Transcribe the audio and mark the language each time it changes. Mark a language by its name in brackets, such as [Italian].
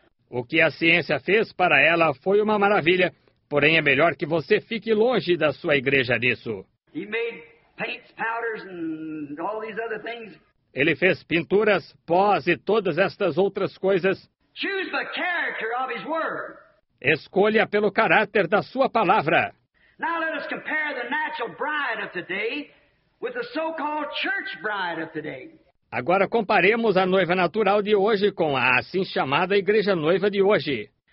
[Portuguese] O que a ciência fez para ela foi uma maravilha, porém é melhor que você fique longe da sua igreja nisso. [English] Paints, powders, and all these other things. [Portuguese] Ele fez pinturas, pós e todas estas outras coisas. [English] Choose the character of his word. [Portuguese] Escolha pelo caráter da sua palavra. [English] Now let us compare the natural bride of today with the so-called church bride of today. [Portuguese] Agora comparemos a noiva natural de hoje com a assim chamada igreja noiva de hoje.